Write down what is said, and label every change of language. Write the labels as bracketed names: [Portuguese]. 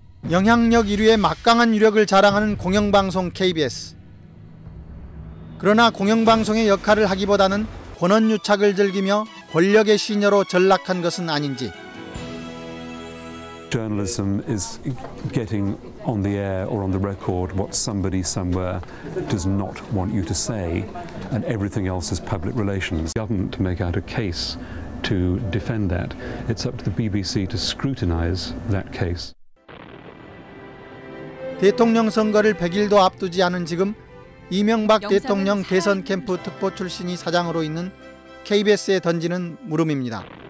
[Korean] 영향력 1위에 막강한 유력을 자랑하는 공영방송 KBS. 그러나 공영방송의 역할을 하기보다는 권언유착을 즐기며 권력의 신여로 전락한 것은 아닌지. [English] Journalism is getting on the air or on the record what somebody somewhere does not want you to say, and everything else is public relations. Government to make out a case to defend that. It's up to the BBC to scrutinize that case. [Korean] 대통령 선거를 100일도 앞두지 않은 지금 이명박 대통령 대선 캠프 특보 출신이 사장으로 있는 KBS에 던지는 물음입니다.